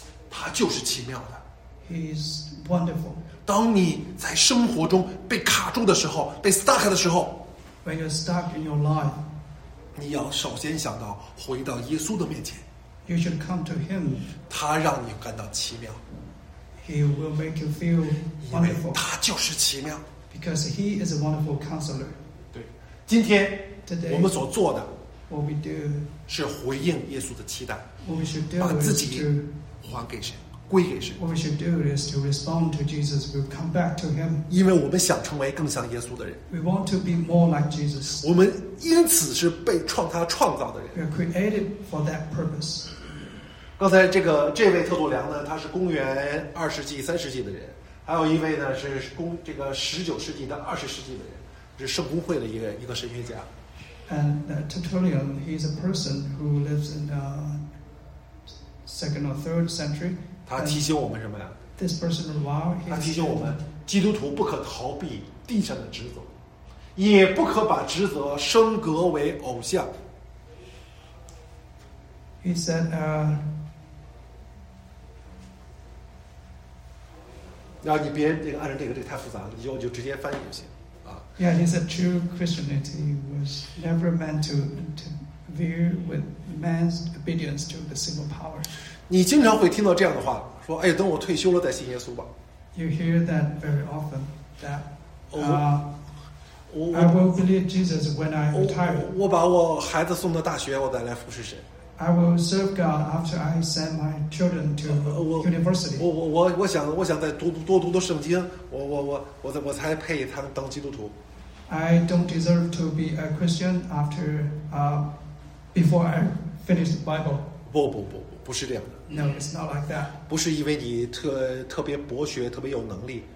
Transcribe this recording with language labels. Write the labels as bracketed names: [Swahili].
[Chinese] 他就是奇妙的。 [English] He's wonderful. [Chinese] 当你在生活中被卡住的时候，被 stuck 的时候 [English] ，When you're stuck in your life， [Chinese] 你要首先想到回到耶稣的面前。 [English] You should come to him. [Chinese] 他让你感到奇妙。 [English] He will make you feel wonderful. [Chinese] 他就是奇妙。 [English] Because he is a wonderful counselor. [Chinese] 对，今天 [English] Today, [Chinese] 我们所做的 [English] ，What we do [Chinese] 是回应耶稣的期待， [English] what we should do [Chinese] 把自己。还给谁？归给神。 [English] What we should do is to respond to Jesus. We'll come back to Him. [Chinese] 因为我们想成为更像耶稣的人。 [English] We want to be more like Jesus. [Chinese] 我们因此是被创他创造的人。 [English] We're created for that purpose. [Chinese] 刚才这位特鲁良呢，他是公元二世纪、三世纪的人，还有一位呢是十九世纪到二十世纪的人，是圣公会的一个神学家。 [English] And Tertullian, he's a person who lives in the second or third century. [Chinese] 他提醒我们什么呀？ [English] This person, [Chinese] he 他提醒我们，基督徒不可逃避地上的职责，也不可把职责升格为偶像。 [English] He said, [Chinese] "Now, 你别那个按照这个太复杂，你就直接翻译就行。 [English] Yeah, he said true Christianity was never meant to veer with man's obedience to the civil power. [Chinese] 你经常会听到这样的话，说，哎，等我退休了再信耶稣吧。 [English] You hear that very often. That, I will believe Jesus when I retire. [Chinese] 我把我孩子送到大学，我再来服侍神。 [English] I will serve God after I send my children to university. [Chinese] 我想再多读圣经，我才配当基督徒。 [English] I don't deserve to be a Christian after before I finish the Bible. [Chinese] 不是这样的。 [English] No, it's not like that. [Chinese] 不是因为你特别博学，特别有能力。